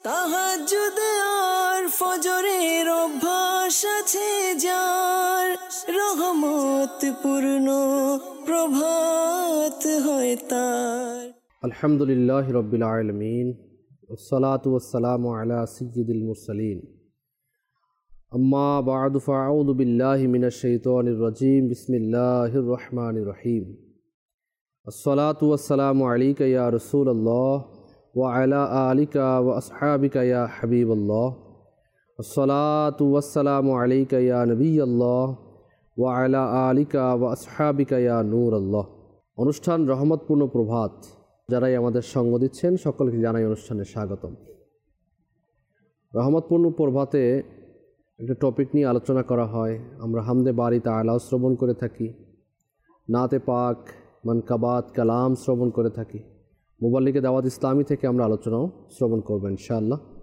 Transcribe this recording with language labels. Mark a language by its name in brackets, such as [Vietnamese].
[Bangla] তাহাজ্জুদ আর ফজরের অভ্যাস আছে যার, রহমত পূর্ণ প্রভাত হয় তার। [Arabic] আলহামদুলিল্লাহ রাব্বিল আলামিন, والصلاه والسلام على سيد المرسلين, اما بعد فاعوذ بالله من الشيطان الرجيم, بسم الله الرحمن الرحيم, والصلاه والسلام عليك يا رسول الله وعلى اليك واصحابك يا حبيب الله, والصلاه والسلام عليك يا نبي الله وعلى اليك واصحابك يا نور الله. [Bangla] অনুষ্ঠান রহমতপূর্ণ প্রভাত, যারাই আমাদের সঙ্গ দিচ্ছেন সকলকে জানাই অনুষ্ঠানে স্বাগতম। রহমতপূর্ণ প্রভাতে একটা টপিক নিয়ে আলোচনা করা হয়। আমরা হামদে বারি তাআলা শ্রবণ করে থাকি, নাতে পাক মানকাবাত কালাম শ্রবণ করে থাকি, মুবাল্লিগে দাওয়াত ইসলামী থেকে আমরা আলোচনাও শ্রবণ করবো ইনশাআল্লাহ।